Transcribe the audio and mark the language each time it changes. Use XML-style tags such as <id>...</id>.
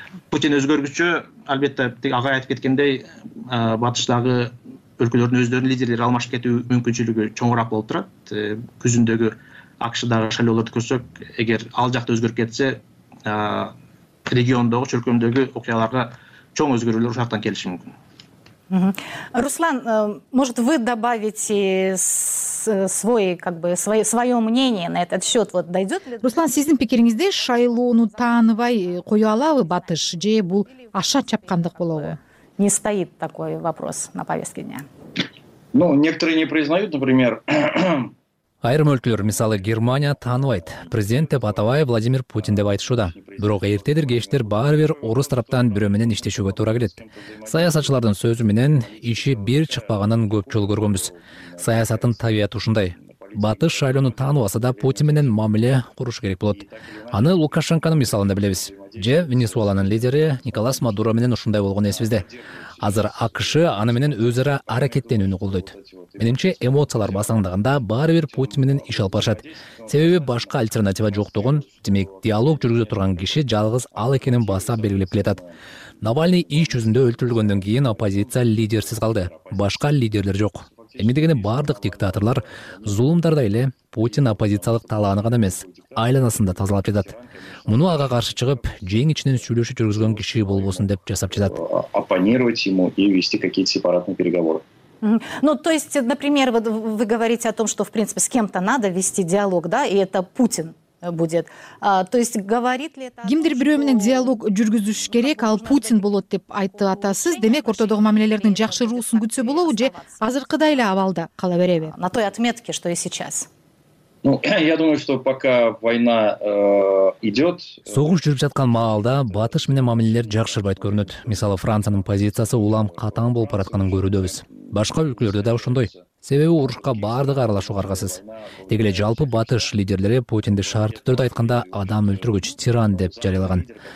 <ky>Путин өзгөргүчө, албетте, ага айтып кеткендей, батыштагы өлкөлөрдүн өздөрүнүн лидерлери алмашып кетүү мүмкүнчүлүгү чоңураак болуп турат. Күзүндөгү АКШ-дагы шайлоолорду көрсөк, эгер ал жакта өзгөрүп кетсе, региондогу, чөлкөмдөгү окуяларга чоң өзгөрүүлөр ушактан келиши мүмкүн.</ky> <ru>Руслан, может вы добавите свой, как бы, свое мнение на этот счет? Вот дойдет ли?</ru> <ky>Руслан, сиздин пикириңизде шайлоону тааныбай кое алабы батыш, же бул аша чапкандык болобу?</ky> <ru>Не стоит такой вопрос на повестке дня. Ну, некоторые не признают, например.</ru> <ky>Айрым өлкөлөр, мисалы Германия, тааныбайт. Президент деп атабай, Владимир Путин деп айтышууда. Бирок эртедир кечтер баары бир орус тараптан бирөө менен иштешүүгө туура келет. Саясатчылардын сөзү менен иши бир чыкпаганын көп жолу көргөнбүз. Саясатын табияты ушундай. Батыш шайлоону тааныбаса да Путин менен мамиле куруш керек болот. Аны Лукашенконун мисалында билебиз. Же Венесуэланын лидери Николас Мадуро менен ушундай болгон эсибизде. Азыр АКШ аны менен өз ара аракеттенүүнү колдойт. Менимче эмоциялар басаңдаганда баары бир Путин менен иш алып барышат. Себеби башка альтернатива жоктугун, демек диалог жүргүзө турган киши жалгыз ал экенин баса белгилеп келатат. Навальный иш жүзүндө өлтүрүлгөндөн кийин оппозиция лидерсиз калды. Башка лидерлер жок. Эми дегени бардык диктаторлор зулумдардай эле Путин оппозициялык талааны гана эмес, айланасын да тазалап жатат. Муну ага каршы чыгып, жең ичинен сүйлөшүп жүргүзгөн киши болбосун деп жасап жатат.</ky> <ru>Оппонировать ему и вести какие-то сепаратные переговоры. Ну, то есть, например, вот вы говорите о том, что, в принципе, с кем-то надо вести диалог, да, и это Путин будет. А, то есть, говорит ли это...</ru> <ky>Кимдир бирөө менен диалог жүргүзүш керек, ал Путин болот деп айтып атасыз. Демек, ортодогу мамилелердин жакшыруусун күтсө болобу, же азыркыдай эле абалда кала береби?</ky> <ru>На той отметке, что и сейчас. Ну, я думаю, что пока война идет...</ru> <ky>Согуш жүрүп жаткан маалда батыш менен мамилелер жакшырбайт көрүнөт. Мисалы, Франциянын позициясы улам катаң болуп баратканын көрүүдөбүз. Башка өлкөлөрдө да ошондой. Себеби урушка баардыгы аралашууга аргасыз. Деги эле жалпы батыш лидерлери Путинди шарттуу түрдө айтканда адам өлтүргүч тиран деп жарыялаган.</ky>